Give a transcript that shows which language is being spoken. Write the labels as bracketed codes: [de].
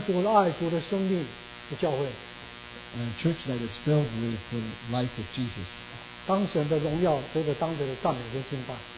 [zh] 也充满了主的爱、主的生命的教会。 [en] A church that is filled with the life of Jesus. [zh] 当神的荣耀，这个当神的赞美跟敬拜。